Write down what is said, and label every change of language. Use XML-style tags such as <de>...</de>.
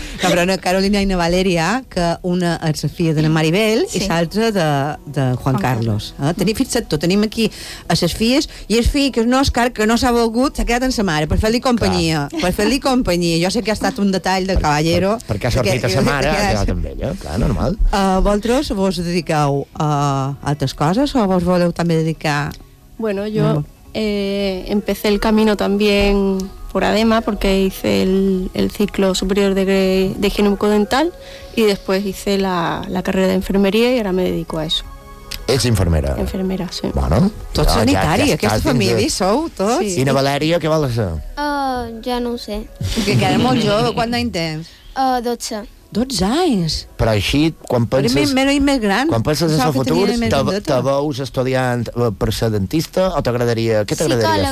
<ca>No, però una Carolina i una Valeria, que una és la filla de la Maribel sí. I l'altra de Juan Carlos. Tenim, fixa't tu, tenim aquí a ses filles i el fill, que és un Òscar, que no s'ha volgut, s'ha quedat amb sa mare per fer-li companyia. Clar. Per fer-li companyia. Jo sé que ha estat un detall</ca> <es>de caballero.</es> <ca>Perquè ha sortit a sa mare, ha quedat amb ella, clar, normal. Vosaltres vos dediqueu a altres coses o vos voleu també dedicar...</ca> <es>Bueno,</es> <ca>jo</ca> <es>empecé el camino también... por ADEMA, porque hice el ciclo superior de higiene bucodental y después hice la carrera de enfermería y ahora me dedico a eso.</es> <ca>¿Ets infermera?</ca> <es>Enfermera, sí. Bueno.</es> <ca>Tots sanitaris, aquesta família, de... sou tots. Sí. I na Valeria, què vols ser? Ja no ho sé. Que quedem molt jove, quant d'any tens? 12. 12 anys. Però així, quan penses... Més gran. Quan penses en el futur, te veus estudiant per ser dentista o t'agradaria... Què t'agradaria</ca>